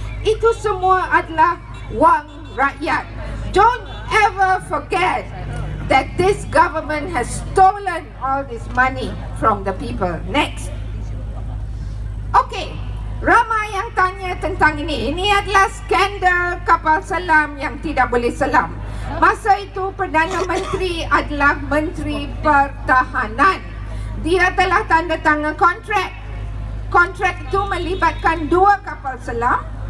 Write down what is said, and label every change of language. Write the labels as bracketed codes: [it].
[ms] Itu semua adalah wang rakyat. [en] Don't ever forget that this government has stolen all this money from the people. Next. Okay. [ms] Ramai yang tanya tentang ini. Ini adalah skandal kapal selam yang tidak boleh selam. Masa itu Perdana Menteri adalah Menteri Pertahanan. Dia telah tanda tangan kontrak. Kontrak itu melibatkan dua kapal selam.